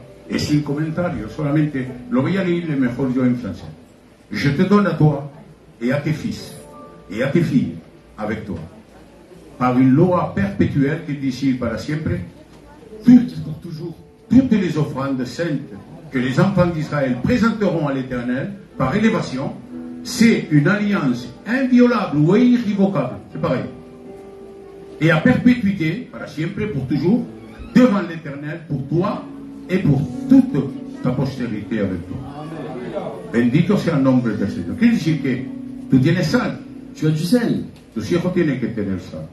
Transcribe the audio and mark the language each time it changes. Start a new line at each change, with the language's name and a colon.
Spanish: Es un comentario, solamente lo voy a leer mejor yo en francés.
French: Je te donne à toi et à tes fils et à tes filles avec toi. Par une loi perpétuelle qui dit ici
Spanish: para siempre,
French: toutes les offrandes saintes que les enfants d'Israël présenteront à l'Éternel par élévation, c'est une alliance inviolable ou irrévocable, c'est pareil. Et à perpétuité,
Spanish: para siempre,
French: pour toujours, devant l'Éternel, pour toi.
Spanish: Y por toda tu posteridad de ti. Bendito sea el nombre del Señor. Quiere decir que tú tienes sal.
French: Tu as du sel.
Spanish: Tus hijos tienen que tener sal.